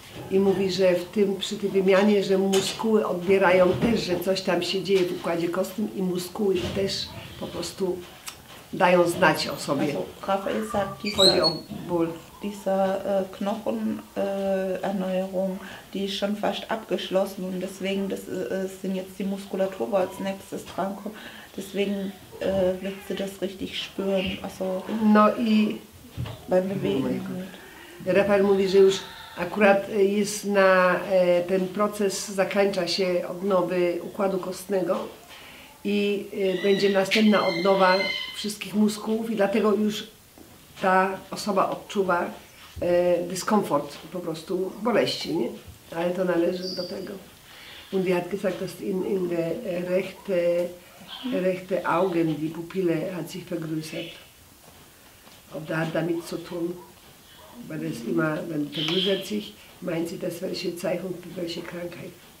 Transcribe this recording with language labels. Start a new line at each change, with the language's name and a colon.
Polish: I mówi, że w tym, przy tej wymianie, że muskuły odbierają też, że coś tam się dzieje w układzie kostnym i muskuły też po prostu dają znać o sobie.
German: Rafael sagt,
Polish: chodzi o ból.
German: Dieser Knochenerneuerung, die ist schon fast abgeschlossen und deswegen sind jetzt die Muskulatur, wo als nächstes dran kommt, deswegen wird sie das richtig spüren, also
Polish: no i
German: beim Bewegen.
Polish: Rafael mówi, że już akurat jest na ten proces, zakończa się odnowy układu kostnego i będzie następna odnowa wszystkich mózgów i dlatego już ta osoba odczuwa dyskomfort, po prostu boleści, nie? Ale to należy do tego.
German: Und die hat gesagt, dass in der rechte Augen die Pupille hat sich vergrößert. Ob da damit zu tun, weil es immer, wenn vergrößert sich, meint sie das welche Zeichen für welche Krankheit.